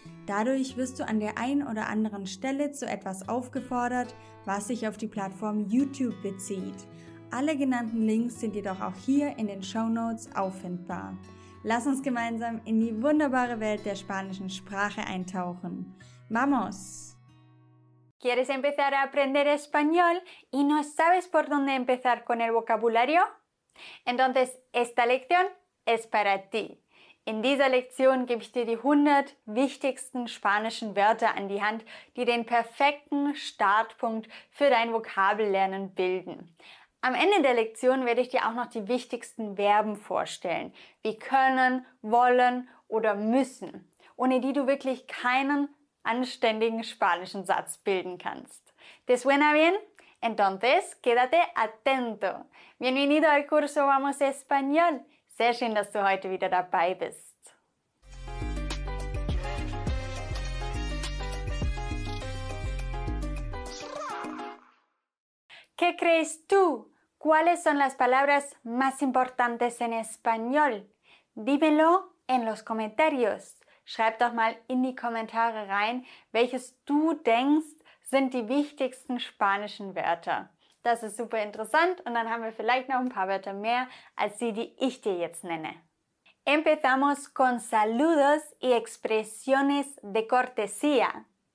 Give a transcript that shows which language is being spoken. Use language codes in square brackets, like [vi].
[de] Dadurch wirst du an der einen oder anderen Stelle zu etwas aufgefordert, was sich auf die Plattform YouTube bezieht. Alle genannten Links sind jedoch auch hier in den Shownotes auffindbar. Lass uns gemeinsam in die wunderbare Welt der spanischen Sprache eintauchen. [es] ¡Vamos! ¿Quieres empezar a aprender español y no sabes por dónde empezar con el vocabulario? Entonces, esta lección es para ti. [de] In dieser Lektion gebe ich dir die 100 wichtigsten spanischen Wörter an die Hand, die den perfekten Startpunkt für dein Vokabellernen bilden. Am Ende der Lektion werde ich dir auch noch die wichtigsten Verben vorstellen, wie können, wollen oder müssen, ohne die du wirklich keinen anständigen spanischen Satz bilden kannst. [es] ¿Te suena bien? Entonces, quédate atento. Bienvenido al curso Vamos Español. [de] Sehr schön, dass du heute wieder dabei bist. [es] ¿Qué crees tú? ¿Cuáles son las palabras más importantes en español? Dímelo en los comentarios. [de] Schreib doch mal in die Kommentare rein, welches du denkst, sind die wichtigsten spanischen Wörter. Das ist super interessant und dann haben wir vielleicht noch ein paar Wörter mehr als die, die ich dir jetzt nenne. [es] Empezamos con saludos y expresiones de cortesía.